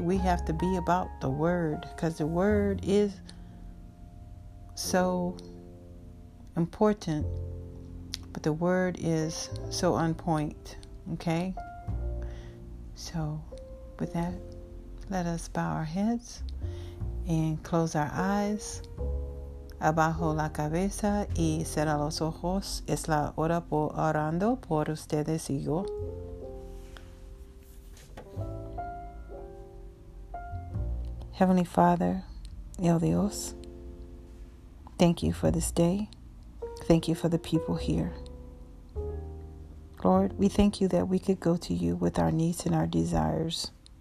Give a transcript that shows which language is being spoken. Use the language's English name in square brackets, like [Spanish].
[English] We have to be about the word because the word is so important, but the word is so on point, okay? So with that, let us bow our heads and close our eyes. [Spanish] Abajo la cabeza y cerrar los ojos. Es la hora por orando por ustedes y yo. [English] Heavenly Father, El Dios, thank you for this day. Thank you for the people here. Lord, we thank you that we could go to you with our needs and our desires.